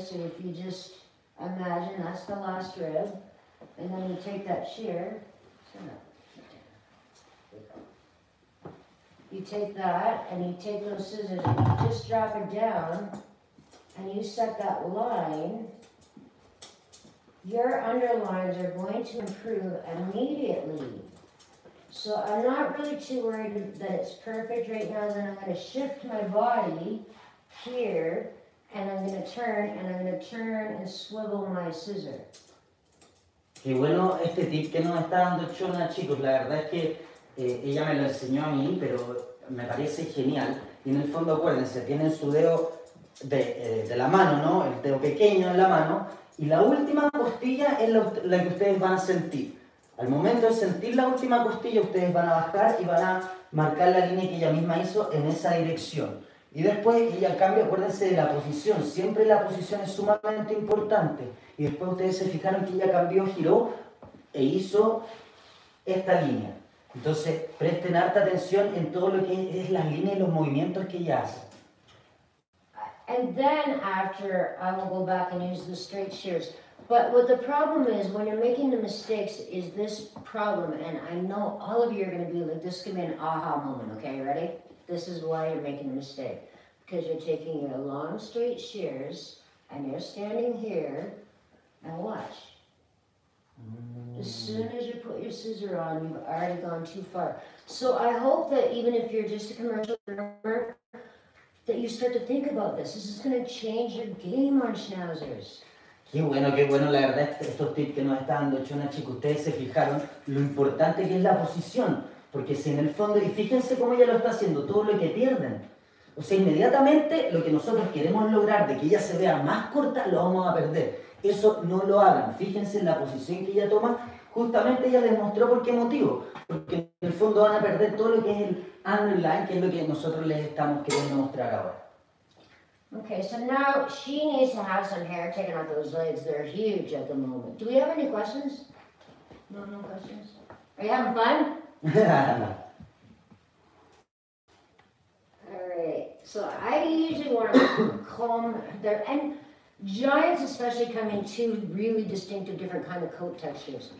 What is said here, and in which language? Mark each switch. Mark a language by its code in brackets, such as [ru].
[en] So if you just imagine that's the last rib, and then you take that shear, you take that and you take those scissors and you just drop it down and you set that line, your underlines are going to improve immediately. So I'm not really too worried that it's perfect right now. Then I'm going to shift my body here and I'm going to turn and swivel my scissor. [es] Qué bueno este tip que nos está dando Shaunna, chicos. La verdad es que ella me lo enseñó a mí, pero me parece genial. Y en el fondo, acuérdense, tienen su dedo de la mano, ¿no? El dedo pequeño en la mano. Y la última costilla es la que ustedes van a sentir. Al momento de sentir la última costilla, ustedes van a bajar y van a marcar la línea que ella misma hizo en esa dirección. Y después, y al cambio, acuérdense de la posición. Siempre la posición es sumamente importante. Y después ustedes se fijaron que ella cambió, giró e hizo esta línea. Entonces, presten harta atención en todo lo que es las líneas y los movimientos que ella hace. [en] And then after, I will go back and use the straight shears. But what the problem is, when you're making the mistakes, is this problem. And I know all of you are going to be like, this could be an aha moment, okay, you ready? This is why you're making a mistake. Because you're taking your long straight shears and you're standing here and watch. As soon as you put your scissor on, you've already gone too far. So I hope that even if you're just a commercial groomer, that you start to think about this. This is going to change your game on schnauzers. [es] Qué bueno, la verdad, estos tips que nos está dando Shaunna, chicos, ustedes se fijaron lo importante que es la posición. Porque si en el fondo, y fíjense cómo ella lo está haciendo, todo lo que pierden. O sea, inmediatamente lo que nosotros queremos lograr de que ella se vea más corta, lo vamos a perder. Eso no lo hagan. Fíjense en la posición que ella toma justamente ella les mostró por qué motivo. Porque en el fondo van a perder todo lo que es el underline, que es lo que nosotros les estamos queriendo mostrar ahora. [en] Okay, so now she needs to have some hair taken out of those legs. They're huge at the moment. Do we have any questions? No, no questions. Are you having fun? All right. So I usually want to comb their, and giants especially come in two really distinctive different kind of coat textures.